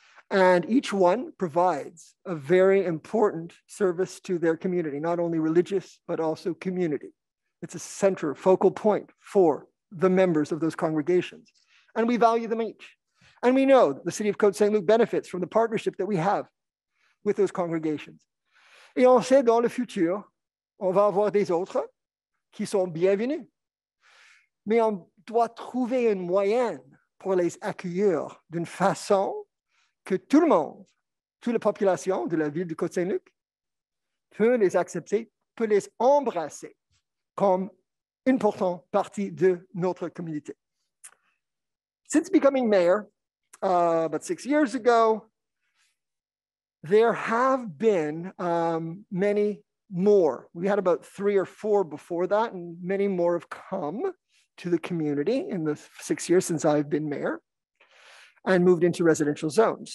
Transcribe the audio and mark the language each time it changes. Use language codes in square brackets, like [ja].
[en] And each one provides a very important service to their community, not only religious, but also community. It's a center, focal point for the members of those congregations. And we value them each. And we know that the city of Côte Saint-Luc benefits from the partnership that we have with those congregations. [fr] Et on sait dans le futur, on va avoir des autres qui sont bienvenus. Mais on doit trouver une moyenne pour les accueillir d'une façon que tout le monde, toute la population de la ville de Côte-Saint-Luc peut les accepter, peut les embrasser comme une importante partie de notre communauté. [en] Since becoming mayor about 6 years ago, there have been many more. We had about 3 or 4 before that, and many more have come to the community in the 6 years since I've been mayor and moved into residential zones.